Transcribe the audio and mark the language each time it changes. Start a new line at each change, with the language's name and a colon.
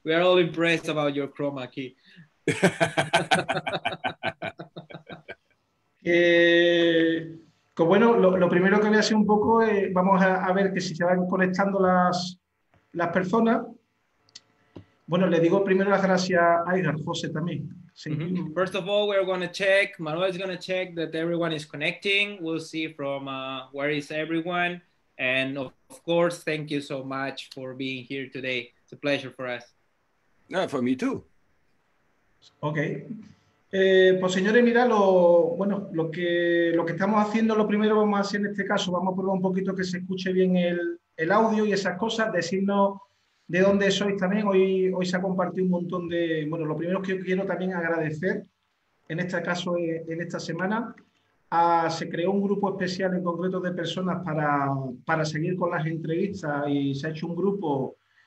English: We are all impressed about your chroma key.
Spanish: Bueno, lo primero que voy a hacer un poco es, vamos a ver que si se van conectando las personas. Bueno, le digo primero las gracias a Edgar, José también.
English: Thank you. First of all, we're going to check. Manuel is going to check that everyone is connecting. We'll see from where is everyone. And of course, thank you so much for being here today. It's a pleasure for us. No, for me too. Ok.
Spanish: Pues señores, mira, bueno, lo que estamos haciendo, lo primero vamos a hacer en este caso, vamos a probar un poquito que se escuche bien el audio y esas cosas, decirnos de dónde sois también. Hoy se ha compartido un montón de, bueno, lo primero que quiero también agradecer, en este caso, en esta semana, se creó un grupo especial en concreto de personas para seguir con las entrevistas y se ha hecho un grupo.